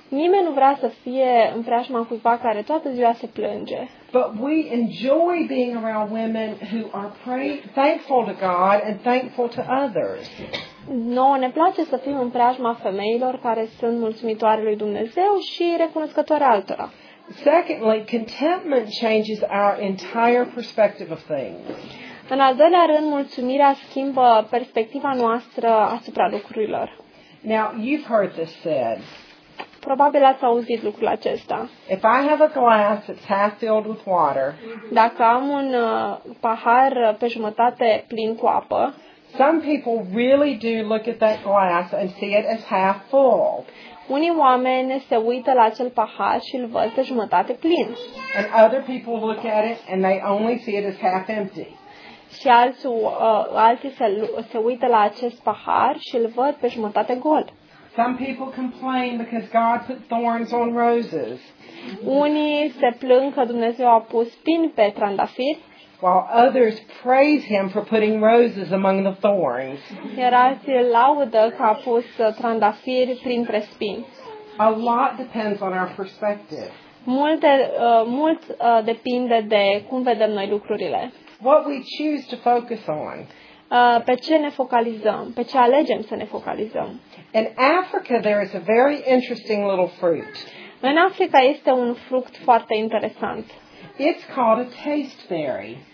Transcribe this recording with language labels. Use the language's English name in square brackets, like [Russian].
[Romanian] Nimeni nu vrea să fie în preajma cuiva care toată ziua se plânge. [English] But we enjoy being around women who are thankful to God and thankful to others. [Romanian] Noi ne place să fim în preajma femeilor care sunt mulțumitoare lui Dumnezeu și recunoscătoare altora. [English] Secondly, contentment changes our entire perspective of things. [Romanian] În al doilea rând, mulțumirea schimbă perspectiva noastră asupra lucrurilor. [English] Now, you've heard this said. [Romanian] Probabil ați auzit lucrul acesta. [English] If I have a glass that's half filled with water, [Romanian] dacă am un pahar pe jumătate plin cu apă, [English] some people really do look at that glass and see it as half full. [Romanian] Unii oameni se uită la acel pahar și îl văd pe jumătate plin. [English] And other people look at it and they only see it as half empty. [Romanian] Și alții se uită la acest pahar și îl văd pe jumătate gol. [English] Some people complain because God put thorns on roses. [Romanian] Unii se plâng că Dumnezeu a pus spini pe trandafiri. [English] While others praise him for putting roses among the thorns. [Romanian] Iar alții îl laudă că a pus trandafiri printre spini. [English] A lot depends on our perspective. [Romanian] Mult depinde de cum vedem noi lucrurile. [English] What we choose to focus on. [Romanian] Pe ce ne focalizăm? Pe ce alegem să ne focalizăm? [English] In Africa there is a very interesting little fruit. [Romanian] În Africa este un fruct foarte interesant. [English] It's called a taste berry.